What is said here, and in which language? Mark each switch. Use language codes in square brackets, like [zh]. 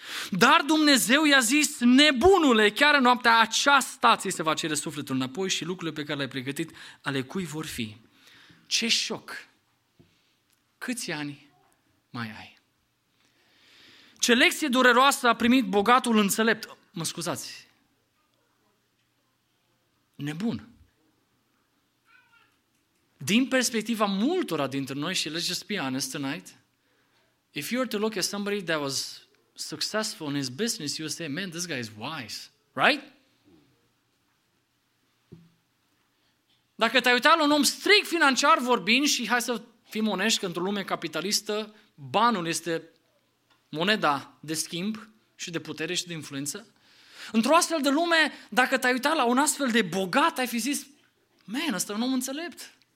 [ro] Dar Dumnezeu i-a zis, nebunule, chiar în noaptea aceasta ți se va cere sufletul înapoi și lucrurile pe care le-ai pregătit, ale cui vor fi? Ce șoc! Câți ani mai ai? Ce lecție dureroasă a primit bogatul înțelept, mă scuzați, nebun. Din perspectiva multora dintre noi, și [en] let's just be honest tonight, if you were to look at somebody that was successful in his business, you would say, man, this guy is wise, right? [ro] Dacă te-ai uitat la un om strict financiar vorbind, și hai să fim onești că într-o lume capitalistă, banul este moneda de schimb și de putere și de influență. Într-o astfel de lume, dacă te-ai uitat la un astfel de bogat, ai fi zis, man, ăsta e un om înțelept.